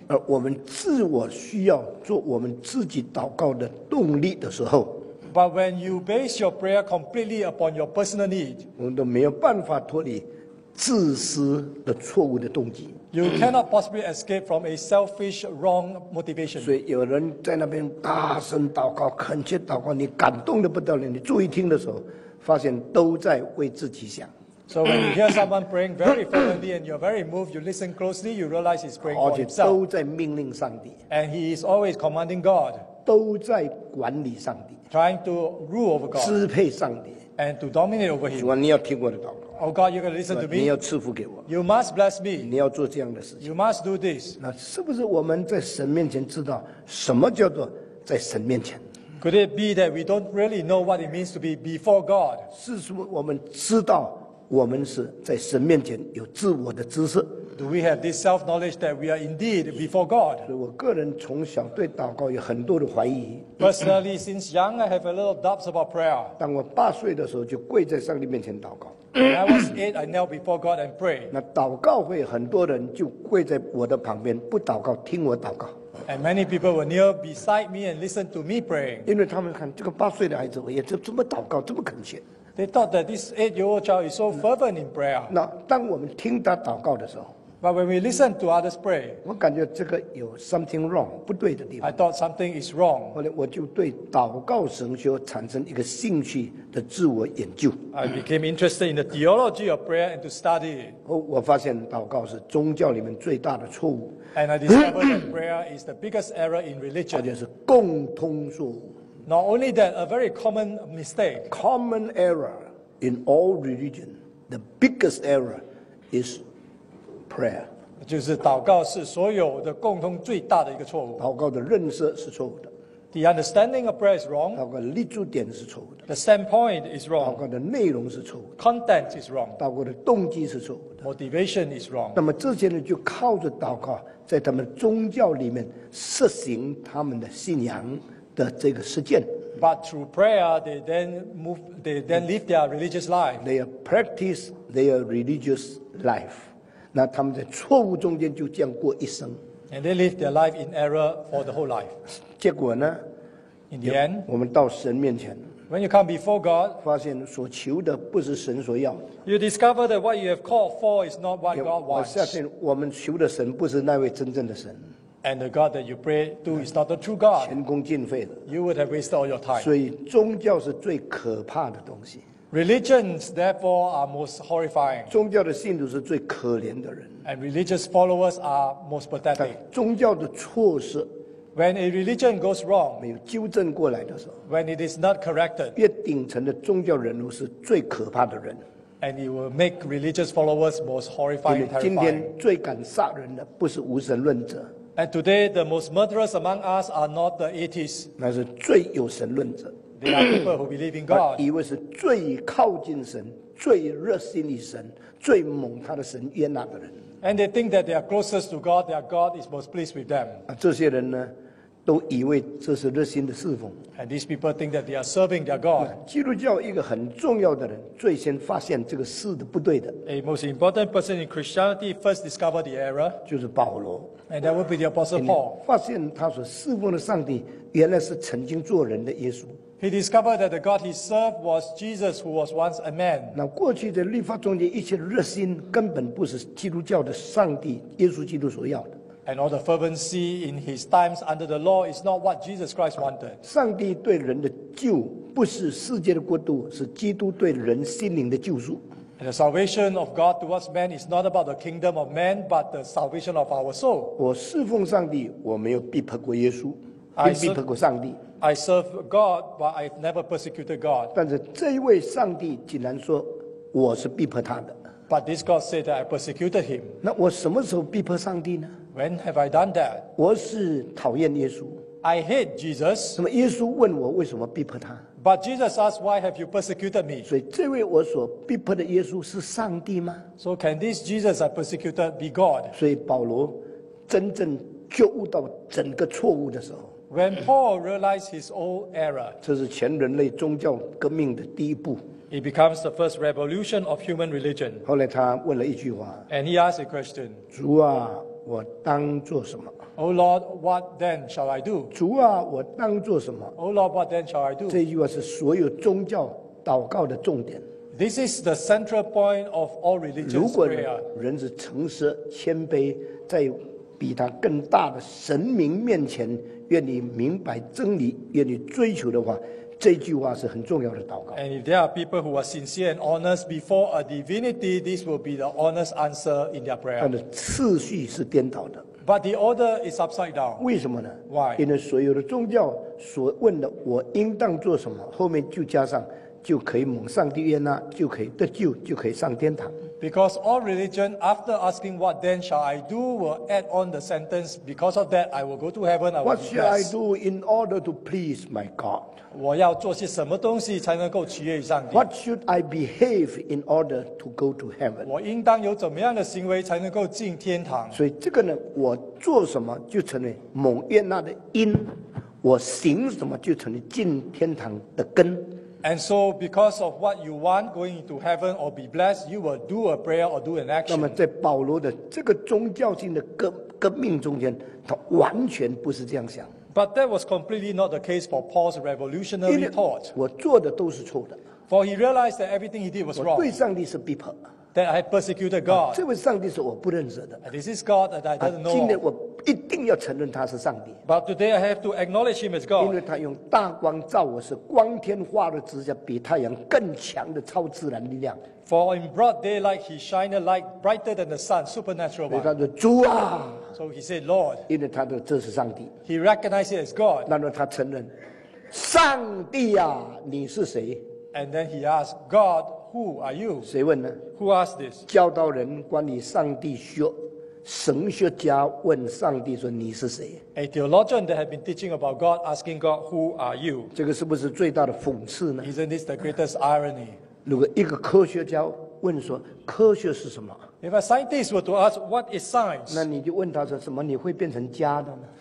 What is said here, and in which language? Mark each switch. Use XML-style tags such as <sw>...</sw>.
<zh>而我们自我需要做我们自己祷告的动力的时候，</zh> <en>But when you base your prayer completely upon your personal need,</en> <zh>我们都没有办法脱离自私的错误的动机。</zh> <en>You cannot possibly escape from a selfish wrong motivation.</en> <zh>所以有人在那边大声祷告，恳切祷告，你感动得不得了，你注意听的时候，发现都在为自己想。</zh> <en>So when you hear someone praying very fervently and you're very moved, you listen closely, you realize he's praying for himself.</en> <zh>而且都在命令上帝。</zh> <en>And he is always commanding God.</en> <zh>都在管理上帝。</zh> <en>Trying to rule over God,</en> <zh>支配上帝</zh> <en>and to dominate over Him.</en> <zh>主啊，你要听我的祷告。</zh> <en>Oh God, you're going to listen to me.</en> <zh>你要赐福给我。</zh> <en>You must bless me.</en> <zh>你要做这样的事情。</zh> <en>You must do this.</en> <zh>那是不是我们在神面前知道什么叫做在神面前？</zh> <en>Could it be that we don't really know what it means to be before God?</en> <zh>是什么？我们知道我们是在神面前有自我的知识。</zh> <en>Do we have this self-knowledge that we are indeed before God?</en> <zh>所以我个人从小对祷告有很多的怀疑。</zh> <en>Personally, since young, I have a little doubts about prayer.</en> <zh>当我8岁的时候，就跪在上帝面前祷告。</zh> <en>When I was 8, I knelt before God and prayed.</en> <zh>那祷告会很多人就跪在我的旁边，不祷告，听我祷告。</zh> <en>And many people were near beside me and listened to me praying.</en> <zh>因为他们看这个8岁的孩子，哎呀，这么祷告，这么恳切。</zh> <en>They thought that this 8-year-old child is so fervent in prayer.</en> <zh>那当我们听他祷告的时候。</zh> <en>But when we listen to others pray,</en> <zh>我感觉这个有</zh> <en>something wrong,</en> <zh>不对的地方。</zh> <en>I thought something is wrong.</en> <zh>后来我就对祷告神学产生一个兴趣的自我研究。</zh> <en>I became interested in the theology of prayer and to study it.</en> <zh>后我发现祷告是宗教里面最大的错误。</zh> <en>And I discovered that prayer is the biggest error in religion.</en> <zh>而且是共通错误。</zh> <en>Not only that, a very common mistake. Common error in all religion, the biggest error is prayer.</en> <zh>就是祷告是所有的共同最大的一个错误。祷告的认识是错误的。</zh> <en>The understanding of prayer is wrong.</en> <zh>祷告的立足点是错误的。</zh> <en>The standpoint is wrong.</en> <zh>祷告的内容是错误的。</zh> <en>Content is wrong.</en> <zh>祷告的动机是错误的。</zh> <en>Motivation is wrong.</en> <zh>那么这些人就靠着祷告，在他们宗教里面实行他们的信仰的这个实践。</zh> <en>But through prayer, they then live their religious life. They practice their religious life.</en> <zh>那他们在错误中间就这样过一生。</zh> <en>And they live their life in error for the whole life.</en> <zh>结果呢</zh> <en>？In the end,</en> <zh>我们到神面前</zh> <en>，When you come before God,</en> <zh>发现所求的不是神所要。</zh> <en>You discover that what you have called for is not what God wants.</en> <zh>我相信我们求的神不是那位真正的神。</zh> <en>And the God that you pray to is not the true God.</en> <zh>前功尽废了。</zh> <en>You would have wasted all your time.</en> <zh>所以宗教是最可怕的东西。</zh> <en>Religions, therefore, are most horrifying.</en> <zh>宗教的信徒是最可怜的人。</zh> <en>And religious followers are most pathetic.</en> <zh>宗教的错失。</zh> <en>When a religion goes wrong,</en> <zh>没有纠正过来的时候。</zh> <en>When it is not corrected.</en> <zh>越顶层的宗教人物是最可怕的人。</zh> <en>And it will make religious followers most horrifying and terrifying.</en> <zh>今天最敢杀人的不是无神论者。</zh> <en>And today, the most murderous among us are not the atheists.</en> <zh>那是最有神论者。</zh> <en>They are people who believe in God.</en> <zh>以为是最靠近神、最热心于神、最蒙他的神悦纳的人。</zh> <en>And they think that they are closest to God, their God is most pleased with them.</en> <zh>这些人呢，都以为这是热心的侍奉。</zh> <en>And these people think that they are serving their God.</en> <zh>基督教一个很重要的人，最先发现这个事的不对的。</zh> <en>A most important person in Christianity first discovered the error.</en> <zh>就是保罗。</zh> <en>And that would be the Apostle Paul.</en> <zh>发现他所侍奉的上帝原来是曾经做人的耶稣。</zh> <en>He discovered that the God he served was Jesus, who was once a man.</en> <zh>那过去的律法中间一切热心，根本不是基督教的上帝耶稣基督所要的。</zh> <en>And all the fervency in his times under the law is not what Jesus Christ wanted.</en> <zh>上帝对人的救不是世界的国度，是基督对人心灵的救赎。</zh> <en>And the salvation of God towards man is not about the kingdom of man, but the salvation of our soul.</en> <zh>我侍奉上帝，我没有逼迫过耶稣，并逼迫过上帝。</zh> <en>I serve God, but I've never persecuted God.</en> <zh>但是这一位上帝竟然说我是逼迫他的。</zh> <en>But this God said that I persecuted him.</en> <zh>那我什么时候逼迫上帝呢？</zh> <en>When have I done that?</en> <zh>我是讨厌耶稣。</zh> <en>I hate Jesus.</en> <zh>那么耶稣问我为什么逼迫他？</zh> <en>But Jesus asked, why have you persecuted me?</en> <zh>所以这位我所逼迫的耶稣是上帝吗？</zh> <en>So can this Jesus I persecuted be God?</en> <zh>所以保罗真正觉悟到整个错误的时候，</zh> <en>When Paul realized his old error,</en> <zh>这是全人类宗教革命的第一步。</zh> <en>It becomes the first revolution of human religion.</en> <zh>后来他问了一句话。</zh> <en>And he asked a question.</en> <zh>主啊，我当做什么</zh> <en>？O Lord, what then shall I do?</en> <zh>主啊，我当做什么</zh> <en>？O Lord, what then shall I do?</en> <zh>这句话是所有宗教祷告的重点。</zh> <en>This is the central point of all religious prayer.</en> <zh>如果人是诚实、谦卑，在比他更大的神明面前愿意明白真理，愿意追求的话，这句话是很重要的祷告。</zh> <en>And if there are people who are sincere and honest before a divinity, this will be the honest answer in their prayer.</en> <zh>但是次序是颠倒的。</zh> <en>But the order is upside down.</en> <zh>为什么呢</zh> <en>？Why?</en> <zh>因为所有的宗教所问的我应当做什么，后面就加上就可以蒙上帝悦纳，就可以得救，就可以上天堂。</zh> <en>Because all religion, after asking what then shall I do, will add on the sentence, because of that, I will go to heaven, I will be blessed. What shall I do in order to please my God?</en> <zh>我要做些什么东西才能够取悦上帝？</zh> <en>What should I behave in order to go to heaven?</en> <zh>我应当有怎么样的行为才能够进天堂？所以这个呢，我做什么就成为蒙悦纳的因，我行什么就成为进天堂的根。</zh> <en>And so, because of what you want, going into heaven or be blessed, you will do a prayer or do an action.</en> <zh>那么在保罗的这个宗教性的革命中间，他完全不是这样想。</zh> <en>But that was completely not the case for Paul's revolutionary thought.</en> <zh>我做的都是错的。</zh> <en>For he realized that everything he did was wrong.</en> <zh>我对上帝是逼迫。</zh> <en>That I had persecuted God.</en> <zh>这位上帝是我不认识的。</zh> <en>And this is God that I didn't know.</en> <zh>今天我一定要承认他是上帝。</zh> <en>But today I have to acknowledge him as God.</en> <zh>因为他用大光照我，是光天化日之下比太阳更强的超自然力量。</zh> <en>For in broad daylight he shined a light brighter than the sun, supernatural one.</en> <zh>所以他说主啊。</zh> <en>So he said Lord.</en> <zh>因为他说这是上帝。</zh> <en>He recognized it as God.</en> <zh>然后他承认，上帝啊，你是谁？</zh> <en>And then he asked, God, who are you?</en> <zh>谁问呢？</zh> <en>Who asked this?</en> <zh>教导人关于上帝说，神学家问上帝说，你是谁？</zh> <en>A theologian that had been teaching about God, asking God, who are you?</en> <zh>这个是不是最大的讽刺呢？</zh> <en>Isn't this the greatest irony?</en> <zh>如果一个科学家问说，科学是什么？</zh> <en>If a scientist were to ask, what is science?</en> <zh>那你就问他说，什么你会变成家的呢？</zh>